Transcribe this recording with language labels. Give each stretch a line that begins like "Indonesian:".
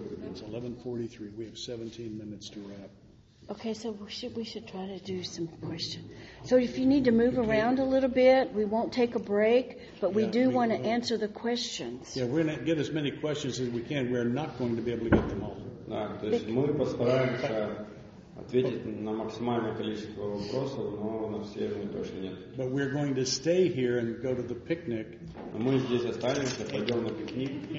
English: It's 11:43. We have 17 minutes to wrap. Okay, so we should try to do some questions. So if you need to move around a little bit, we won't take a break, but we do want to answer the questions. Yeah, we're going to get as many questions as we can. We're not going to be able to get them all.
Russian: Да, то есть мы постараемся ответить на максимальное количество вопросов, но на все мы точно нет.
English: But we're going to stay here and go to the picnic.
Russian: Мы здесь останемся, пойдем на пикник.